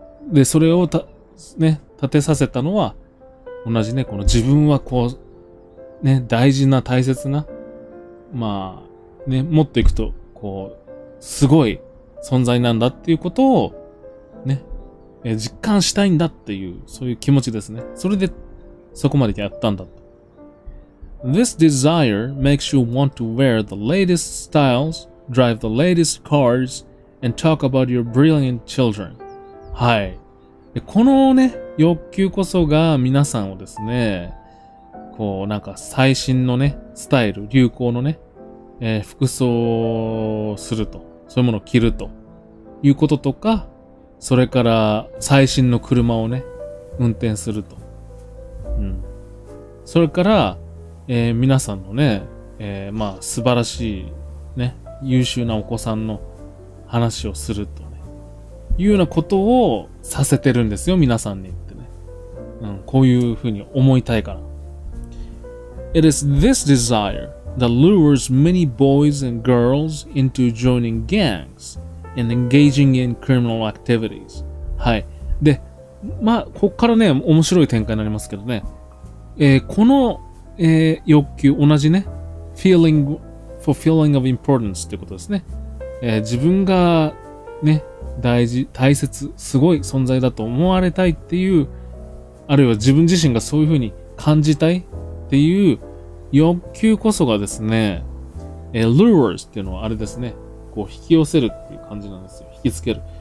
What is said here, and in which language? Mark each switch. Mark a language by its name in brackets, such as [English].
[Japanese] で、それをね、建てさせたのは、同じね、この自分はこう、ね、大事な、大切な、まあ、ね、持っていくと、こう、すごい存在なんだっていうことを、ね、実感したいんだっていう、そういう気持ちですね。それで、そこまでやったんだと。 [English] This desire makes you want to wear the latest styles, drive the latest cars, and talk about your brilliant children. [Japanese] はい。このね、欲求こそが皆さんをですね、こう、なんか最新のね、スタイル、流行のね、服装をすると。そういうものを着るということとか、それから最新の車をね、運転すると。うん。それから、皆さんのね、まあ、素晴らしい、ね、優秀なお子さんの話をすると、ね、いうようなことをさせてるんですよ、皆さんにってね。うん、こういうふうに思いたいから。 [English] It is this desire that lures many boys and girls into joining gangs and engaging in criminal activities. [Japanese] はい。で、まあ、ここからね、面白い展開になりますけどね。この、欲求、同じね、 [English] feeling, fulfilling of importance [Japanese] ってことですね。自分がね、大事、大切、すごい存在だと思われたいっていう、あるいは自分自身がそういうふうに感じたいっていう欲求こそがですね、lures っていうのはあれですね、こう引き寄せるっていう感じなんですよ。引きつける。